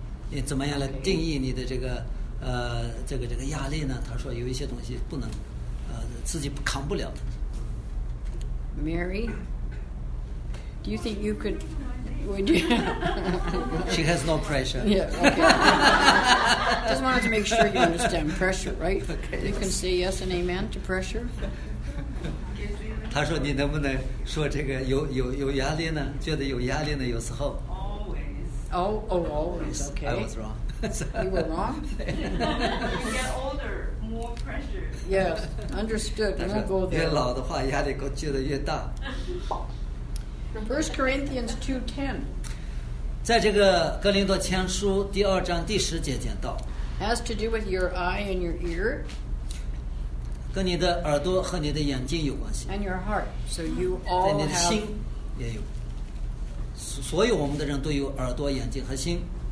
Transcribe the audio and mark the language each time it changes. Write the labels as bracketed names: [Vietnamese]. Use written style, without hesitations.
[Chinese] 你怎么样来定义你的这个这个压力呢？他说有一些东西不能自己扛不了的。 [English] Mary, do you think you could? Would you? She has no pressure. Yeah. Okay. Just wanted to make sure you understand pressure, right? Okay. You can say yes and amen to pressure. [Chinese] 他说你能不能说这个有压力呢？觉得有压力呢？有时候。 [English] Always. Okay. I was wrong. You were wrong. You get older, more pressure. Yes, understood. You won't go there. [Chinese] 越老的话，压力觉得越大。 [English] 1 Corinthians 2:10. [Chinese] 在这个哥林多前书第二章第十节讲到。 [English] Has to do with your eye and your ear. [Chinese] 跟你的耳朵和你的眼睛有关系。 [English] And your heart, so you all have. [Chinese] 在你的心也有。所有我们的人都有耳朵、眼睛和心。